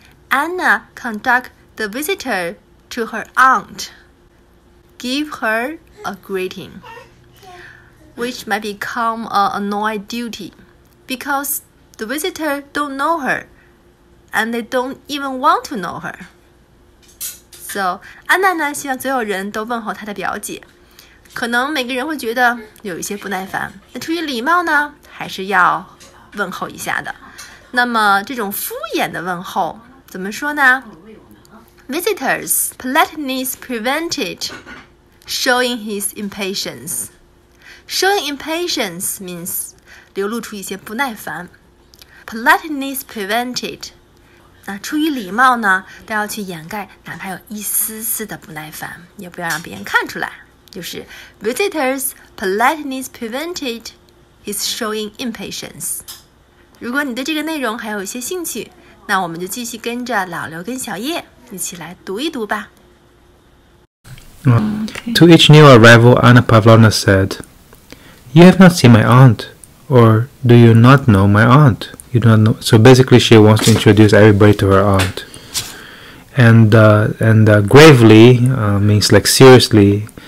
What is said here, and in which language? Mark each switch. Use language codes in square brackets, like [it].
[en] Anna conduct the visitor to her aunt, give her a greeting, which might become an annoyed duty, because the visitor don't know her, and they don't even want to know her. [zh] So Anna 呢，希望所有人都问候她的表姐。可能每个人会觉得有一些不耐烦，那出于礼貌呢，还是要问候一下的。那么这种敷衍的问候怎么说呢？ [en] Visitors politeness prevented showing his impatience. Showing impatience means 流露出一些不耐烦。 [zh] Politeness prevented，那出于礼貌呢，都要去掩盖，哪怕有一丝丝的不耐烦，也不要让别人看出来。 [en] 就是 visitors politeness prevented his showing impatience. [zh] 如果你对这个内容还有一些兴趣，那我们就继续跟着老刘跟小叶一起来读一读吧。 [en] To each new arrival, Anna Pávlovna said, "You have not seen my aunt, or do you not know my aunt? You don't know." So basically, she wants to introduce everybody to her aunt, and gravely, means like seriously.